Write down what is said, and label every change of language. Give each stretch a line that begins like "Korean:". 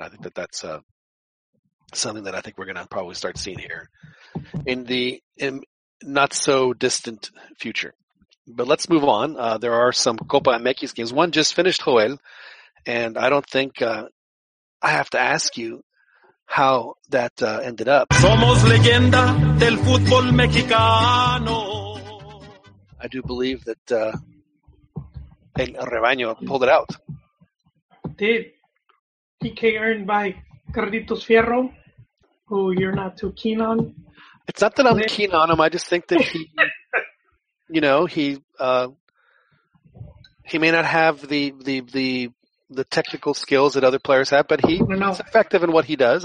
English: I think that's something that I think we're going to probably start seeing here in the not so distant future. But let's move on. There are some Copa MX games. One just finished, Joel, and I don't think I have to ask you how that ended up.
Spanish: Somos leyenda del fútbol mexicano.
English: I do believe that El Rebaño pulled it out. Did PK earned by Carlitos Fierro, who you're not too keen on? It's not that I'm keen on him. I just think that he, you know, he may not have the technical skills that other players have, but he's effective in what he does.